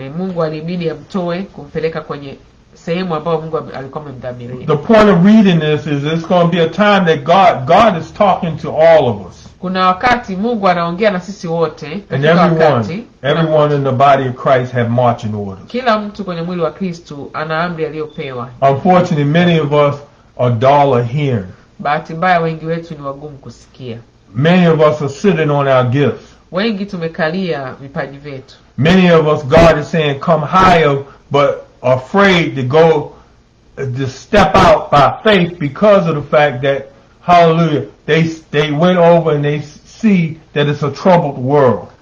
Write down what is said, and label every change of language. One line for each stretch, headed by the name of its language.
Swahili: Mungu alibidi amtoe kumpeleka kwenye sehemu ambayo Mungu alikuwa amemdhamiria.
English: The point of reading this is it's going to be a time that God is talking to all of us.
Swahili: Kuna wakati Mungu anaongea na sisi wote.
English: And everyone in the body of Christ have marching orders.
Swahili: Kila mtu kwenye mwili wa Kristo ana amri aliyopewa.
English: Unfortunately, many of us are dull of hearing.
Swahili: Bahati mbaya wengi wetu ni wagumu kusikia.
English: Many of us are sitting on our gifts.
Swahili: Wengi tumekalia vipaji vyetu.
English: Many of us, God is saying, come higher, but afraid to go, to step out by faith because of the fact that, hallelujah, they went over and they see that it's a troubled world.